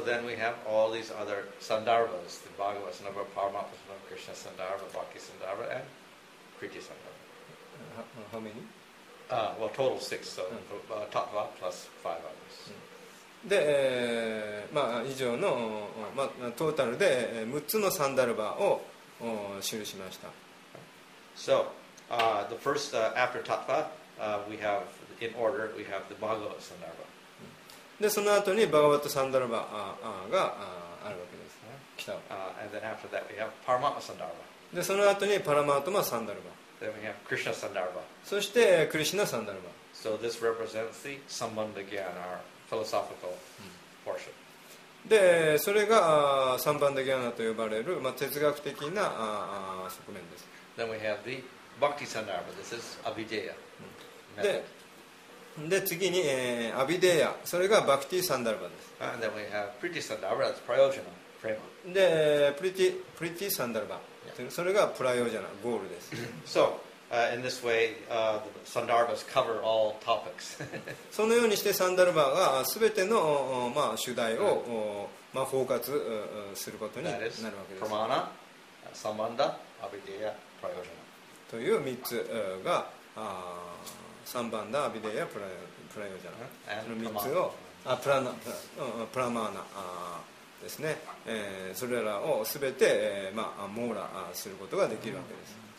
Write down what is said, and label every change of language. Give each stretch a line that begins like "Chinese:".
English: So then we have all these other sandarbhas, the Bhagavata sandarbha, Paramatma sandarbha, Krishna sandarbha, Bhakti sandarbha, and Kriti sandarbha. How many? Well, total six, so Tattva plus five others.
Japanese: で、まあ以上の、まあトータルで6つのサンダルバを記しました。
English: So, the first, after Tattva, we have, in order, we have the Bhagavata sandarbha.
Japanese: でその後にバガバットサンダルバがあるわけですね。来たわけ。
English: And then after that we have Paramatma Sandarbha.
Japanese: でその後にパラマートマサンダルバ。
English: Then we have Krishna Sandarbha.
Japanese: そしてクリシナサンダルバ。
English: So this represents the Sambandha Gyana, our philosophical portion.
Japanese: でそれがサンバンダギャナと呼ばれる、まあ、哲学的な側面です。
English: Then we have the Bhakti Sandarbha. This is Abhideya method.
Japanese: でで次に、アビデヤ、それがバクティサンダルバです。
English: And then we have Priti Sandarbha, that's Prayojana, Prema.
Japanese: で、Priti Sandarbha、それがプライオジャナ、ゴールです。
English: So, in this way, the Sandarbhas cover all topics.
Japanese: そのようにしてサンダルバが全ての、まあ、主題を、まあ、包括することになるわけです。
Sanskrit: Pramana, Sambandha, Abideya, Prayojana.
Japanese: という3つが、サンバンダ、アビデヤ、プラヨジャナ、その3つをプラマーナですね、それらをすべて、まあ、網羅することができるわけです。